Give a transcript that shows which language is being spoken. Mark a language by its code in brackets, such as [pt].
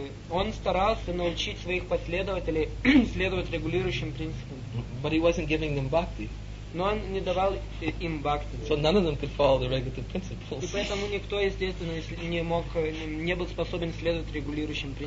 [ru] Он старался научить своих последователей следовать регулирующим принципам. [en] But he wasn't giving them bhakti. [ru] Но он не давал им бхакти. [en] So none of them could follow the regulative principles. [ru] И поэтому никто, естественно, не мог, не был способен следовать регулирующим принципам.